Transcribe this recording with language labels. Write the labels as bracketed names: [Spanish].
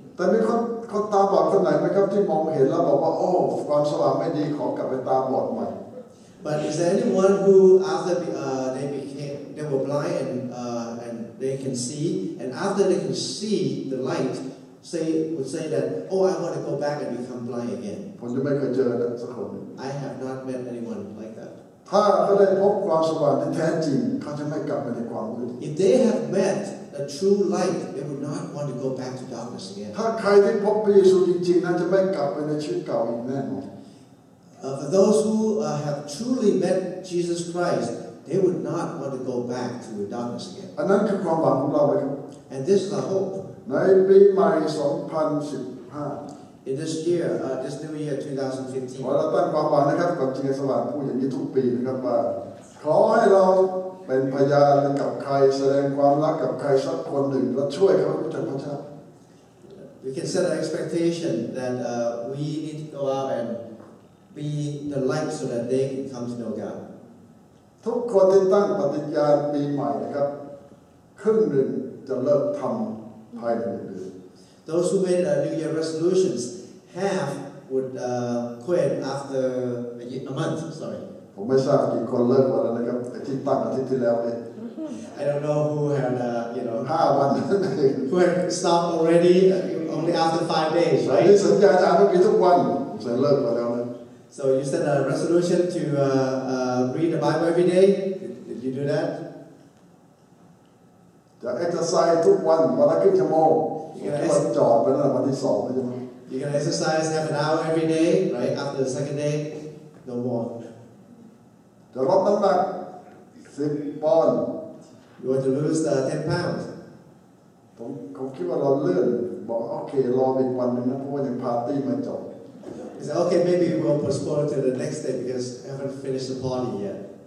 [Thai] แต่มีคนตาบอดคนไหนไหมครับที่มองเห็นแล้วบอกว่าโอ้ความสว่างไม่ดีขอกลับไปตาบอดใหม่ [English] but is there anyone who after they were blind and they can see and after they can see the light would say that oh I want to go back and become blind again [Thai] ผมจะไม่เคยเจอนะสักคน [English] I have not met anyone like that [Thai] ถ้าเขาได้พบความสว่างที่แท้จริงเขาจะไม่กลับมาในความมืด [English] if they have metA true light, they would not want to go back to darkness again. [Thai] ถ้าใครที่พบพระเยซูจริงๆนั้นจะไม่กลับไปในชีวิตเก่าอีกแน่นอน [English] For those who have truly met Jesus Christ, they would not want to go back to darkness again. [Thai] อันนั้นคือความหวังของเราเลย [English] And this is the hope. [Thai] ในปีใหม่2015 [English] In this year, this new year 2015. [Thai] ขอเราตั้งความหวังนะครับกับจริงสว่างพูดอย่างนี้ทุกปีนะครับว่าขอให้เราเป็นพยานกับใครแสดงความรักกับใครสักคนหนึ่งและช่วยเขาจากพระเจ้า [English] We can set an expectation that we need to go out and be the light so that they can come to know God. [Thai] ทุกคนที่ตั้งปฏิญญาณปีใหม่นะครับครึ่งหนึ่งจะเลิกทำภายในหนึ่งเดือน [English] Those who made New Year resolutions half would quit after a month. Sorry. [Thai] ผมไม่ทราบกี่คนเลิกมาแล้วนะครับอาทิตย์ตั้งอาทิตย์ที่แล้วเนี่ย [English] I don't know who had you know [Thai] 5วัน [English] เพื่อน stop already only after 5 days right [Thai] นี่สัญญาจะต้องมีทุกวันจะเลิกมาแล้วนะ [English] so you set a resolution to read the Bible every day did you do that [Thai] จะ exercise ทุกวันวันละครึ่งชั่วโมงทุกวันจอดเป็นวันที่สองใช่ไหม [English] you can exercise half an hour every day right after the second day no more [Thai] จะลดน้ำหนัก10ปอนด์ [English] You want to lose 10 pounds [Thai] ผมคิดว่าเราเลื่อนบอกโอเครออีกวันนึงนะเพราะว่ายังพาร์ตี้ไม่จบ [English] He said okay maybe we'll postpone to the next day because I haven't finished the party yet